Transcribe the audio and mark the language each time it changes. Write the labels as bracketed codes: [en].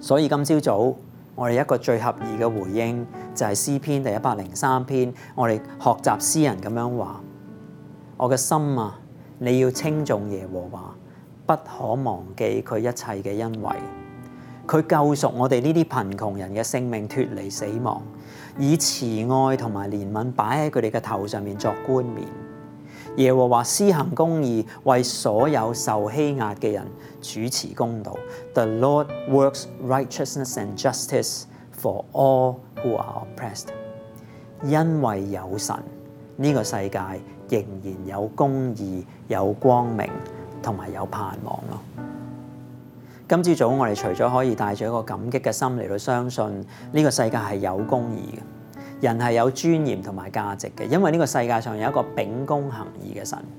[zh] 所以今早我們一個最合宜的回應，就是詩篇第103篇，我們學習詩人這樣說：我的心啊，你要稱頌耶和華，不可忘記祂一切的恩惠。祂救赎我们这些贫穷人的性命脱离死亡，以慈爱和怜悯摆在他们的头上作冠冕。耶和华施行公义，为所有受欺压的人主持公道。 [en] The Lord works righteousness and justice for all who are oppressed。 [zh] 因为有神，这个世界仍然有公义、有光明和有盼望。今朝早我们除了可以带着一个感激的心来相信这个世界是有公义的，人是有尊严和价值的，因为这个世界上有一个秉公行义的神。